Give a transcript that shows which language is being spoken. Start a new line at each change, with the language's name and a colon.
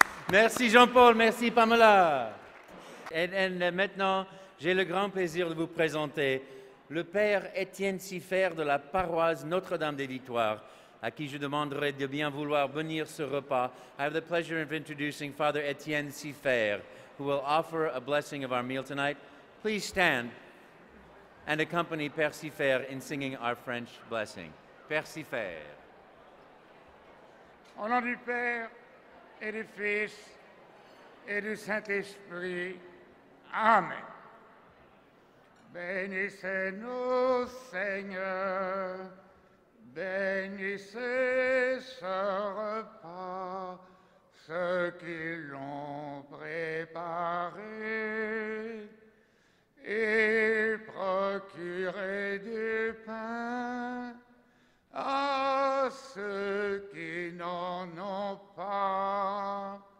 French: Merci Jean-Paul, merci Pamela. Et maintenant, j'ai le grand plaisir de vous présenter le père Étienne Siffert de la paroisse Notre-Dame des Victoires, à qui je demanderai de bien vouloir venir ce repas.
English: I have the pleasure of introducing Father Étienne Siffert, who will offer a blessing of our meal tonight. Please stand and accompany Père Siffert in singing our French blessing. Père Siffert.
French: Au nom du Père et du Fils et du Saint-Esprit, amen. Bénissez-nous, Seigneur, bénissez ce repas, ceux qui l'ont préparé et procuré du pain à ceux qui n'en ont pas.